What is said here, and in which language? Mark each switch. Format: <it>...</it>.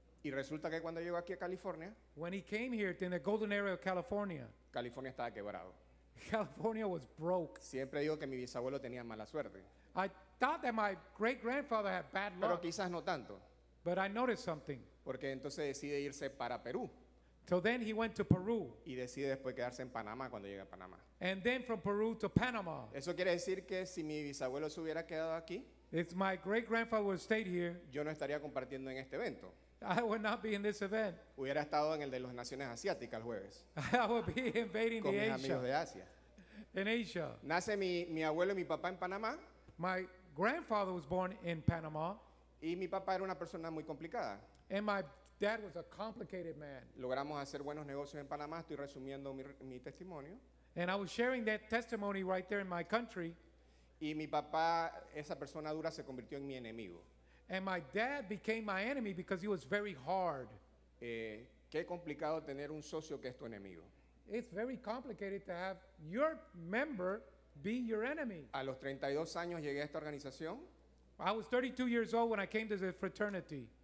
<es>Y resulta que cuando llegó aquí a California,</es> <en>when he came here in the golden era of California,</en> <es>California estaba quebrado.</es> <en>California was broke.</en> <es>Siempre digo que mi bisabuelo tenía mala suerte.</es> <en>I thought that my great grandfather had bad luck.</en> <es>Pero quizás no tanto.</es> <en>But I noticed something.</en> <es>Porque entonces decide irse para Perú.</es> <en>So then he went to Peru.</en> <es>Y decide después quedarse en Panamá cuando llega a Panamá.</es> <en>And then from Peru to Panama.</en> <es>Eso quiere decir que si mi bisabuelo se hubiera quedado aquí,</es> <en>if my great grandfather would have stayed here,</en> <es>yo no estaría compartiendo en este evento.</es> <en>I would not be in this event.</en> <es>Hubiera estado en el de las Naciones Asiáticas el jueves.</es> <en>I would be invading</en> <es>con</es> <en>the</en> <es>mis amigos</es> <en>Asia.</en> <es>De Asia.</es> <en>In Asia.</en> <es>Nace mi abuelo y mi papá en Panamá.</es> <en>My grandfather was born in Panama.</en> <es>Y mi papá era una persona muy complicada.</es> <en>And my dad was a complicated man.</en> <es>Logramos hacer buenos negocios en Panamá. Estoy resumiendo mi testimonio.</es> <en>And I was sharing that testimony right there in my country.</en> <es>Y mi papá, esa persona dura, se convirtió en mi enemigo.</es> <en>And my dad became my enemy because he was very hard.</en> <es>Qué complicado tener un socio que es tu enemigo.</es> <en>It's very complicated to have your member be your enemy.</en> <es>A los 32 años llegué a esta organización.</es> <en>I was 32 years old when I came to the fraternity.</en>